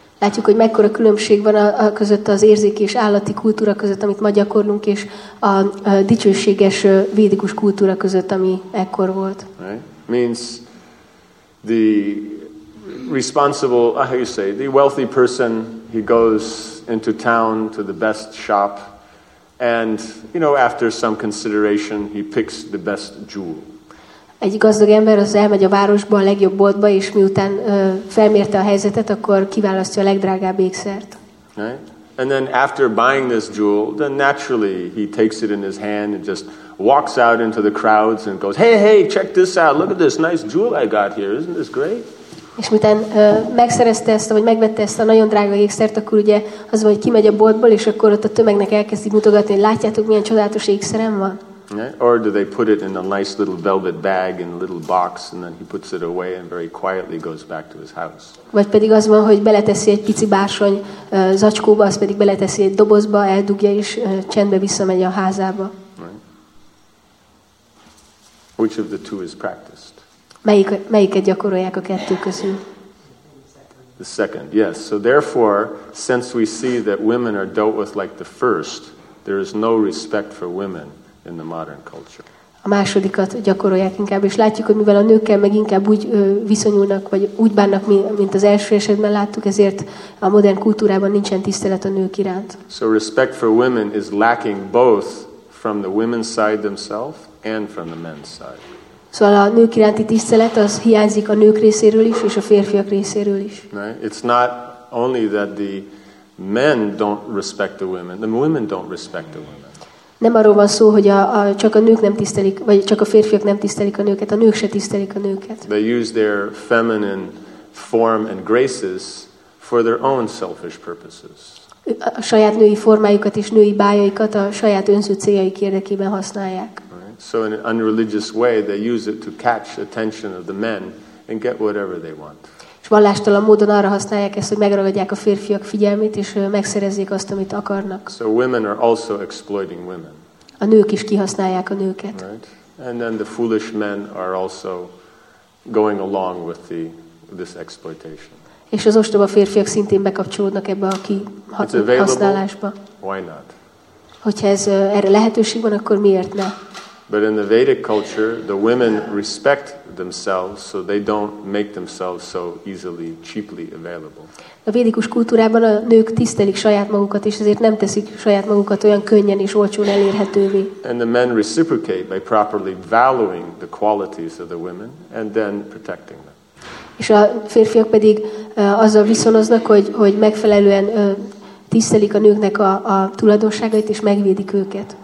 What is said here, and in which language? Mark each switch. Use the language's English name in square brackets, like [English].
[Hungarian] Látjuk, hogy mekkora különbség van a között az érzéki és állati kultúra között, amit ma gyakorlunk, és a dicsőséges védikus kultúra között, ami ekkor volt. [English] Right. Means the responsible, how you say, the wealthy person he goes into town to the best shop, and you know, after some consideration, he picks the best jewel. [Hungarian] Egy gazdag ember az elmegy a városba a legjobb boltba, és miután felmérte a helyzetet, akkor kiválasztja a legdrágább ékszert. [English] Right? And then after buying this jewel, then naturally he takes it in his hand and just walks out into the crowds and goes, "Hey, hey, check this out! Look at this nice jewel I got here! Isn't this great?" [Hungarian] És miután megszerezte ezt, vagy megvette ezt a nagyon drága ékszert, akkor ugye az, hogy kimegy a boltból, és akkor ott a tömegnek elkezdi mutogatni, hogy látjátok, milyen csodálatos ékszerem van. [English] Yeah. Or do they put it in a nice little velvet bag in a little box, and then he puts it away and very quietly goes back to his house? [Hungarian] Vagy pedig az van, hogy beleteszi egy pici bársony zacskóba, azt pedig beleteszi egy dobozba, eldugja és csendbe visszamegy a házába. [English] Right. Which of the two is practiced? [Hungarian] Melyiket gyakorolják a kettő közül? [English] The second, yes. So therefore, since we see that women are dealt with like the first, there is no respect for women in the modern culture. [Hungarian] A másodikat gyakorolják inkább, és látjuk, hogy mivel a nőkkel meg inkább úgy viszonyulnak, vagy úgy bánnak, mint az első esetben láttuk, ezért a modern kultúrában nincsen tisztelet a nők iránt. [English] So respect for women is lacking both from the women's side themselves and from the men's side. [Hungarian] Szóval a nők iránti tisztelet az hiányzik a nők részéről is, és a férfiak részéről is. [English] Right? It's not only that the men don't respect the women don't respect the women. [Hungarian] Nem arról van szó, hogy csak a nők nem tisztelik, vagy csak a férfiak nem tisztelik a nőket, a nők se tisztelik a nőket. [English] They use their feminine form and graces for their own selfish purposes. [Hungarian] A saját női formájukat és női bájaikat a saját önző céljaik érdekében használják. [English] So in an unreligious way, they use it to catch attention of the men and get whatever they want. [Hungarian] És vallástalan módon arra használják ezt, hogy megragadják a férfiak figyelmét, és megszerezzék azt, amit akarnak. [English] So women are also exploiting women. [Hungarian] A nők is kihasználják a nőket. [English] Right? And then the foolish men are also going along with this exploitation. [Hungarian] És az ostoba férfiak szintén bekapcsolódnak ebbe a kihasználásba. [English] Why not? [Hungarian] Hogyha ez erre lehetőség van, akkor miért ne? [English] But in the Vedic culture, the women respect themselves, so they don't make themselves so easily, cheaply available. [Hungarian] A védikus kultúrában a nők tisztelik saját magukat, és ezért nem teszik saját magukat olyan könnyen és olcsón elérhetővé. [English] And the men reciprocate by properly valuing the qualities of the women and then protecting them. És a férfiak pedig azzal viszonoznak, hogy megfelelően tisztelik a nőknek a tulajdonságait, és megvédik őket.